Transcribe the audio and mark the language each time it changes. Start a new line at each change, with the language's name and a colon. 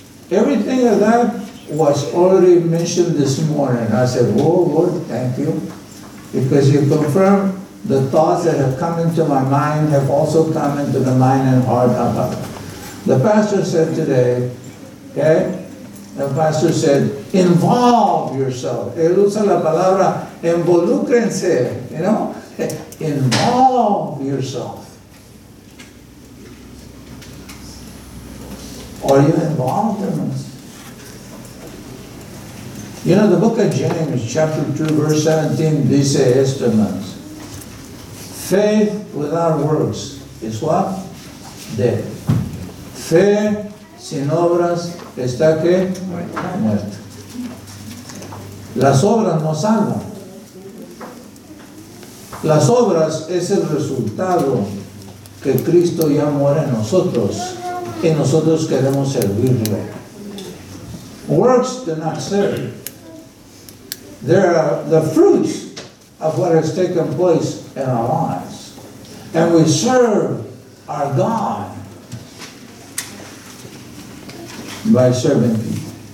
English: Everything of that was already mentioned this morning. I said, oh, Lord, thank you. because you confirm the thoughts that have come into my mind have also come into the mind and heart of others. The pastor said today, okay? The pastor said, involve yourself.
Spanish: Él usa la palabra involúcrense,
English: you know? Involve yourself. Are you involved in this? You know, the book of James, chapter 2, verse 17,
Spanish: dice esto, hermanos.
English: Faith without works is what? Dead.
Spanish: Fe sin obras está que muerta. Las obras no salvan. Las obras es el resultado que Cristo ya muere en nosotros y nosotros queremos servirlo.
English: Works do not serve. They are the fruits of what has taken place in our lives. And we serve our God by serving people.